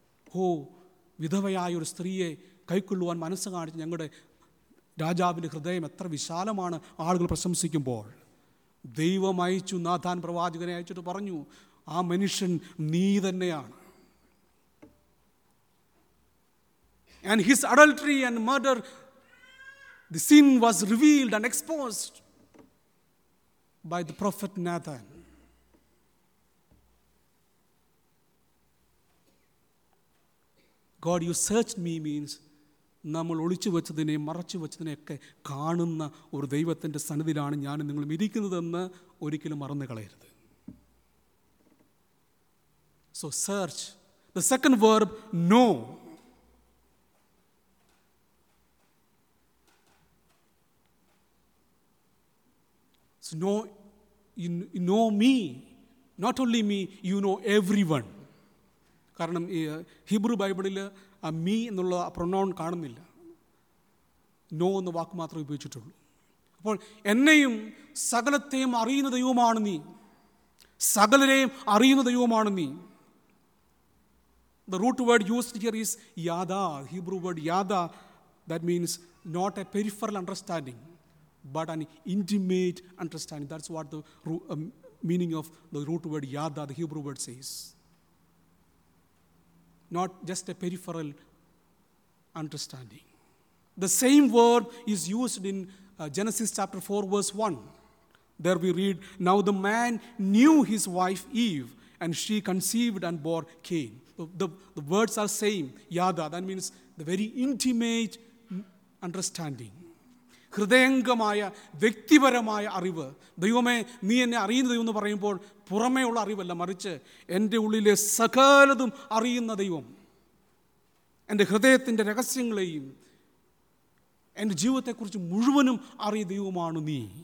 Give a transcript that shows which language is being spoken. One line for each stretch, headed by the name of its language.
Malayalam: ഓ, വിധവയായ ഒരു സ്ത്രീയെ കൈക്കൊള്ളുവാൻ മനസ്സ് കാണിച്ച് ഞങ്ങളുടെ രാജാവിൻ്റെ ഹൃദയം എത്ര വിശാലമാണ് ആളുകൾ പ്രശംസിക്കുമ്പോൾ. ദൈവം അയച്ചു, നാഥാൻ പ്രവാചകനെ അയച്ചിട്ട് പറഞ്ഞു, ആ മനുഷ്യൻ നീ തന്നെയാണ്.
English: And his adultery and murder, the sin was revealed and exposed by the prophet Nathan. God, you searched me means
Malayalam: നമ്മൾ ഒളിച്ചു വെച്ചതിനെ മറച്ചു വെച്ചതിനെയൊക്കെ കാണുന്ന ഒരു ദൈവത്തിൻ്റെ സന്നിധിയിലാണ് ഞാനും നിങ്ങളും ഇരിക്കുന്നതെന്ന് ഒരിക്കലും മറന്നു കളയരുത്.
English: So search. The second verb, know. So know, you know me, not only me, you know everyone.
Malayalam: കാരണം ഹിബ്രു ബൈബിളിൽ ആ മീ എന്നുള്ള പ്രൊനൗൺ കാണുന്നില്ല, നോ എന്ന വാക്ക് മാത്രമേ ഉപയോഗിച്ചിട്ടുള്ളൂ. അപ്പോൾ എന്നെയും സകലത്തെയും അറിയുന്ന ദൈവമാണ് നീ, സകലരെയും അറിയുന്ന ദൈവമാണ് നീ.
English: The root word used here is yada, Hebrew word yada, that means not a peripheral understanding, but an intimate understanding. That's what the meaning of the root word yada, the Hebrew word says. Not just a peripheral understanding. The same word is used in Genesis chapter 4 verse 1. There we read, Now the man knew his wife Eve, and she conceived and bore Cain. The words are same, yada, that means the very intimate understanding.
Malayalam: ഹൃദയംഗമായ വ്യക്തിപരമായ അറിവ്. ദൈവമേ നീ എന്നെ അറിയുന്ന ദൈവം എന്ന് പറയുമ്പോൾ പുറമേയുള്ള അറിവല്ല, മറിച്ച് എൻ്റെ ഉള്ളിലെ സകലതും അറിയുന്ന ദൈവം, എൻ്റെ ഹൃദയത്തിൻ്റെ രഹസ്യങ്ങളെയും എൻ്റെ ജീവിതത്തെക്കുറിച്ച് മുഴുവനും അറിയ ദൈവമാണ് നീ.